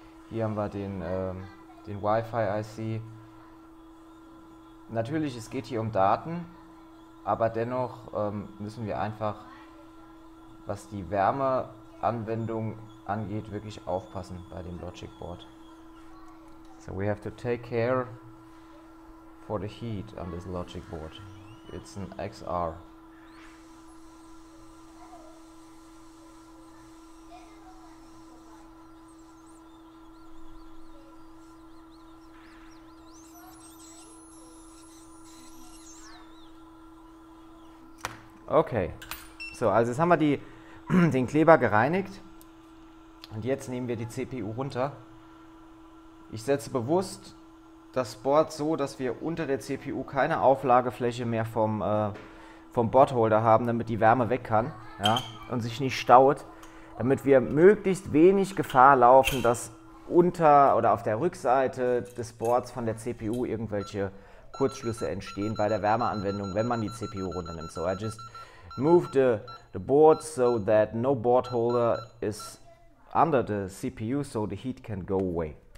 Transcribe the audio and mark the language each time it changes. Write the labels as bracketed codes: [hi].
[de] Hier haben wir den Wi-Fi IC. Natürlich, es geht hier um Daten, aber dennoch müssen wir einfach, was die Wärmeanwendung angeht, wirklich aufpassen bei dem Logic Board. [en] So we have to take care for the heat on this logic board. It's an XR. Okay. [de] So, also jetzt haben wir den Kleber gereinigt und jetzt nehmen wir die CPU runter. Ich setze bewusst das Board so, dass wir unter der CPU keine Auflagefläche mehr vom Boardholder haben, damit die Wärme weg kann, ja, und sich nicht staut, damit wir möglichst wenig Gefahr laufen, dass unter oder auf der Rückseite des Boards von der CPU irgendwelche Kurzschlüsse entstehen bei der Wärmeanwendung, wenn man die CPU runternimmt. [en] So I just move the board so that no board holder is under the CPU, so the heat can go away.